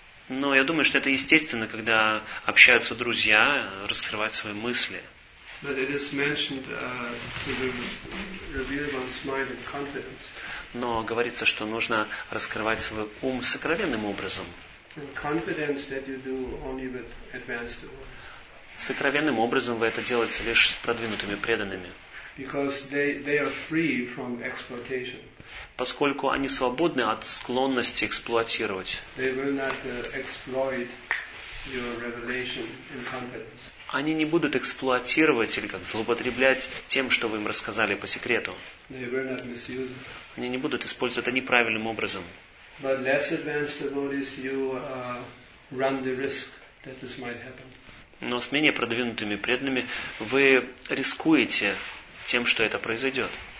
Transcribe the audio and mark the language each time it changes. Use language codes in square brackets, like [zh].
[ru] Но я думаю, что это естественно, когда общаются друзья, раскрывать свои мысли. [en] But it is mentioned to reveal one's mind with confidence. [ru] Но говорится, что нужно раскрывать свой ум сокровенным образом. [en] And confidence that you do only with advanced devotees. [ru] Сокровенным образом вы это делаете лишь с продвинутыми преданными. [en] Because they are free from exploitation. [ru] Поскольку они свободны от склонности эксплуатировать. [en] They will not exploit your revelation in confidence. [ru] Они не будут эксплуатировать или как злоупотреблять тем, что вы им рассказали по секрету. Они не будут использовать это неправильным образом. Но с менее продвинутыми преданными вы рискуете тем, что это произойдет.